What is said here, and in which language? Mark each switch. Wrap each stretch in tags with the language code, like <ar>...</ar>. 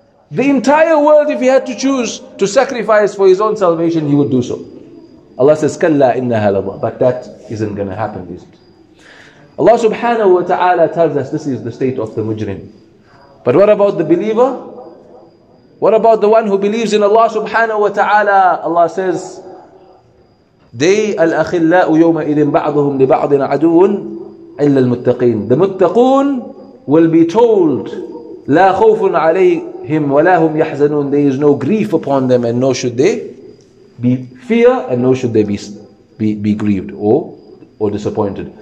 <en>The entire world, if he had to choose to sacrifice for his own salvation, he would do so. Allah says,</en> <ar>كَلَّا إِنَّهَا لَظَى,</ar> <en>but that isn't going to happen, is it? Allah subhanahu wa ta'ala tells us this is the state of the mujrim. But what about the believer? What about the one who believes in Allah subhanahu wa ta'ala?</en> <ar>Allah says, دَيْ الْأَخِلَّاءُ يَوْمَئِذٍ بَعْضُهُمْ لِبَعْضٍ عَدُوٌ إِلَّا الْمُتَّقِينَ.</ar> <en>The muttaqoon will be told,</en> <ar>لَا خَوْفٌ عَلَيْهِمْ وَلَا هُمْ يَحْزَنُونَ,</ar> <en>there is no grief upon them, and no should they be fear, and no should they be grieved or disappointed.</en>